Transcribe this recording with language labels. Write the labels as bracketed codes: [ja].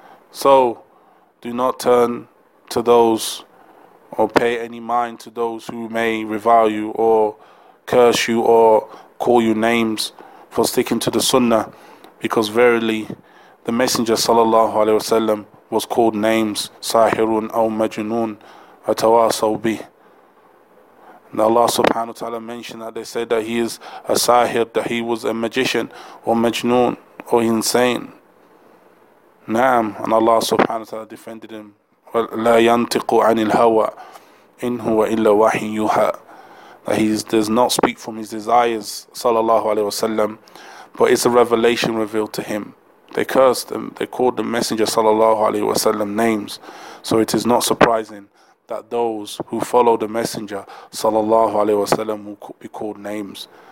[en] So do not turn to those or pay any mind to those who may revile you or curse you or call you names for sticking to the sunnah, because verily the messenger sallallahu alayhi wa sallam was called names, sahirun aw majnun atawasaw bih. And Allah subhanahu wa ta'ala mentioned that they said that he is a sahir, that he was a magician, or majnun, or insane. Naam, and Allah subhanahu wa ta'ala defended him. [ar] لا ينطق عن الهوى إن هو إلا وحي يوحى. [en] That he does not speak from his desires, sallallahu alayhi wa sallam, but it's a revelation revealed to him. They cursed him, they called the messenger, sallallahu alayhi wa sallam, names. So it is not surprising that those who follow the messenger sallallahu alaihi wasallam will be called names.